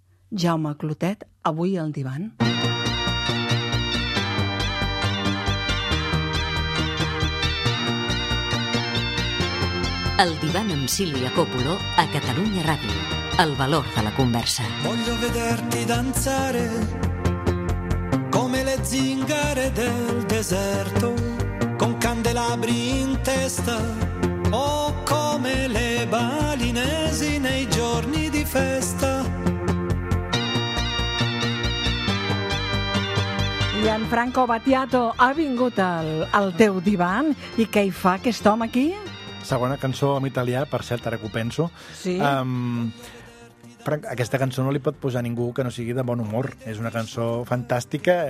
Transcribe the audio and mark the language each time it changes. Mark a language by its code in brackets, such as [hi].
[ca] Jaume Clotet, avui al divan. El divan amb Sílvia Coppolo a Catalunya Ràdio. El valor de la conversa. [it] Voglio vederti danzare come le zingare del deserto, con candelabri in testa o come le balinesi nei giorni di festa. [ca] Gianfranco Battiato ha vingut al teu divan, i què hi fa aquest home aquí? Segona cançó en italià, per cert, ara que ho penso. Sí. Però aquesta cançó no li pot posar ningú que no sigui de bon humor. És una cançó fantàstica.